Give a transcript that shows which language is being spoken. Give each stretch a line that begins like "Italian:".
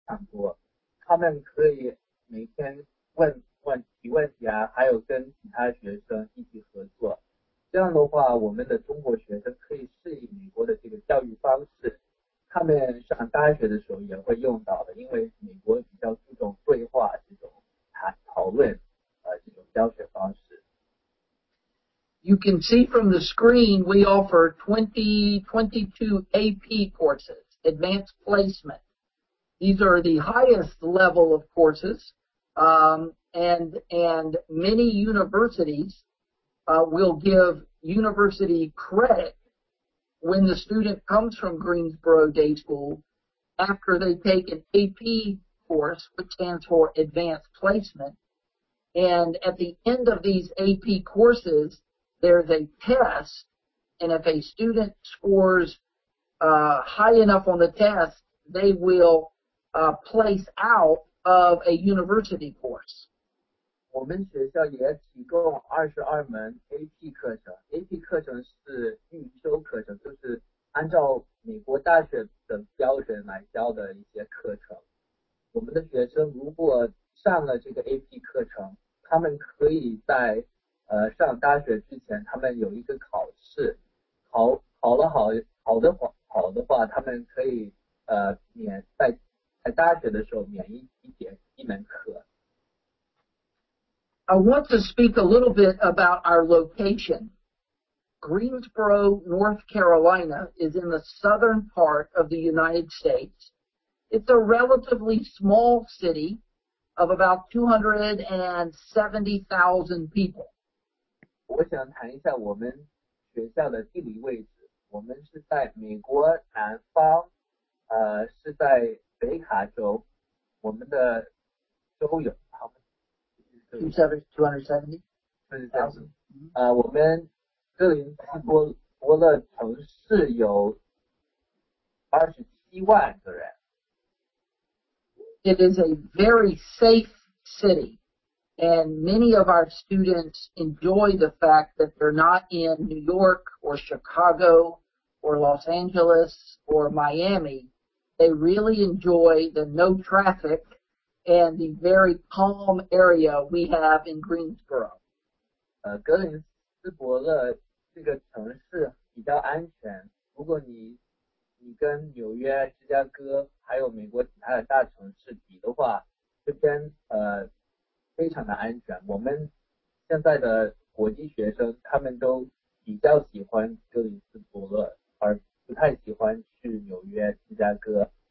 Chinese: 差不多，他们可以每天问题啊，还有跟其他学生一起合作。这样的话，我们的中国学生可以适应美国的这个教育方式，他们上大学的时候也会用到的，因为美国比较注重对话这种讨论，这种教学方式。
English: You can see from the screen, we offer 2022 AP courses, Advanced Placement. These are the highest level of courses, and many universities will give university credit when the student comes from Greensboro Day School after they take an AP course, which stands for Advanced Placement. And at the end of these AP courses, there's a test, and if a student scores high enough on the test, they will place out of a university course.
Chinese: 我们学校也提供22门 AP 课程，AP 课程是预修课程，就是按照美国大学的标准来教的一些课程。我们的学生如果上了这个 AP 课程，他们可以在上大学之前，他们有一个考试，考得好的话，他们可以在大学的时候免一门课。
English: I want to speak a little bit about our location. Greensboro, North Carolina is in the southern part of the United States. It's a relatively small city of about 270,000 people.
Chinese: 我想谈一下我们学校的地理位置。我们是在美国南方，是在北卡州，我们的州有，好，这里，
English: 270,000.
Chinese: 我们哥伦布勒城市有27万个人。
English: It is a very safe city, and many of our students enjoy the fact that they're not in New York or Chicago or Los Angeles or Miami. They really enjoy the no traffic and the very calm area we have in Greensboro.
Chinese: 格林斯伯勒这个城市比较安全。如果你跟纽约、芝加哥还有美国其他的大城市比的话，这边非常的安全。我们现在的国际学生他们都比较喜欢格林斯伯勒，而不太喜欢去纽约、芝加哥。